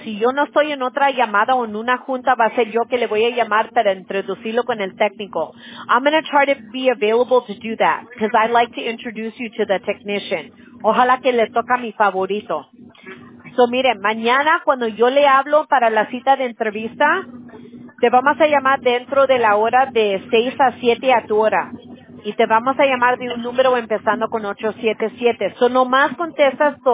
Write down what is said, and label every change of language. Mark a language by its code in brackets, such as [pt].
[es] Si yo no estoy en otra llamada o en una junta, va a ser yo que le voy a llamar para introducirlo con el técnico. [en] I'm going to try to be available to do that because I'd like to introduce you to the technician. [es] Ojalá que le toque a mi favorito. So, miren, mañana cuando yo le hablo para la cita de entrevista, te vamos a llamar dentro de la hora de 6 a 7 a tu hora. Y te vamos a llamar de un número empezando con 877. So, nomás contestas todo.